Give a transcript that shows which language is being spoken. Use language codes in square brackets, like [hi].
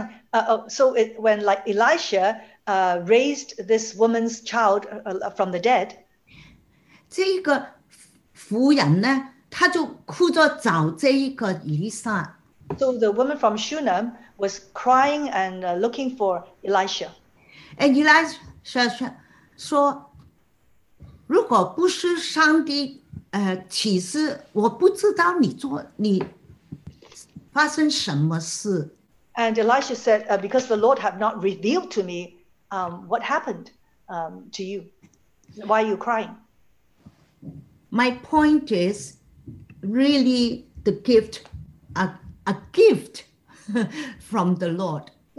[en] When like Elisha raised this woman's child from the dead, [zh] 这一个妇人呢，她就哭着找这一个以利沙。 [en] So the woman from Shunem was crying and looking for Elisha. And [zh] Elisha 说，如果不是上帝。其实我不知道你发生什么事。 [en] And Elisha said, because the Lord have not revealed to me what happened to you, why are you crying? My point is, really the gift, a gift from the Lord.